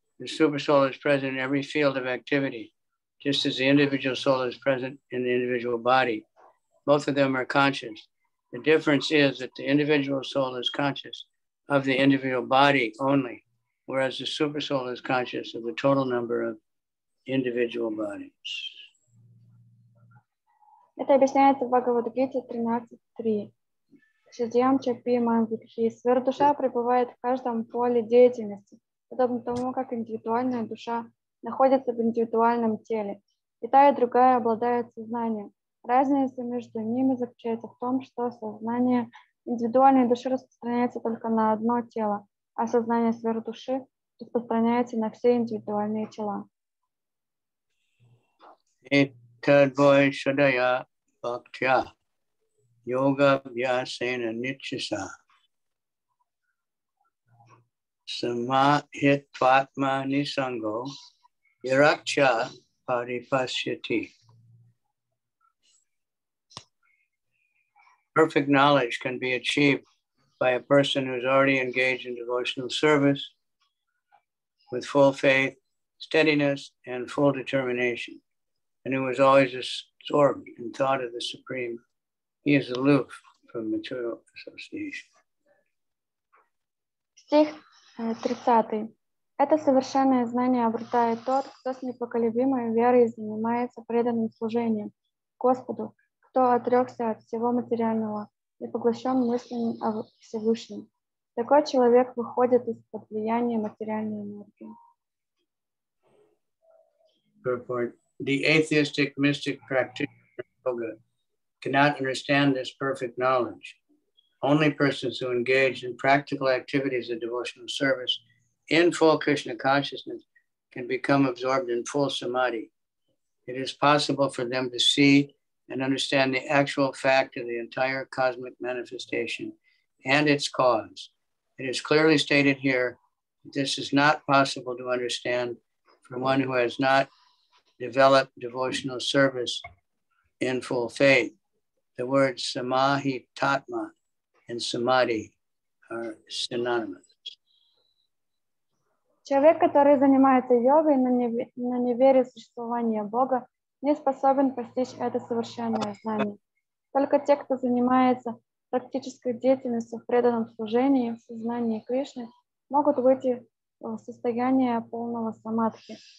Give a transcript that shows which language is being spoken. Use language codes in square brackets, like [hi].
[en] The super soul is present in every field of activity, just as the individual soul is present in the individual body. Both of them are conscious. The difference is that the individual soul is conscious of the individual body only, whereas the super soul is conscious of the total number of individual bodies. [ru] Это объясняется в Бхагавад-гите 13.3. [sa] Сидьям Чапи Мангитхи. [ru] Сверхдуша пребывает в каждом поле деятельности, подобно тому, как индивидуальная душа находится в индивидуальном теле. И та, и другая обладает сознанием. Разница между ними заключается в том, что сознание индивидуальной души распространяется только на одно тело, а сознание сверхдуши распространяется на все индивидуальные тела. [sa] Этадвой шадая бхактя йога вьясена ничиса самахитватма нисанго иракча парипасьяти. [en] Perfect knowledge can be achieved by a person who is already engaged in devotional service with full faith, steadiness, and full determination. And who is always absorbed in thought of the Supreme, he is aloof from material association. [ru] Стих 30. Это совершенное знание обретает тот, кто с непоколебимой верой занимается преданным служением Господу, кто отрекся от всего материального и поглощен мыслями о Всевышнем. Такой человек выходит из-под влияния материальной энергии. [en] The atheistic mystic practitioner of yoga cannot understand this perfect knowledge. Only persons who engage in practical activities of devotional service in full Krishna consciousness can become absorbed in full samadhi. It is possible for them to see and understand the actual fact of the entire cosmic manifestation and its cause. It is clearly stated here that this is not possible to understand for one who has not develop devotional service in full faith. The words samahi tatma and samadhi are synonymous. [ru] Человек, который занимается йогой, но не верит в существование Бога, не способен постичь это совершенное знание. Только те, кто занимается практической деятельностью в преданном служении, в сознании Кришны, могут выйти в состояние полного самадхи.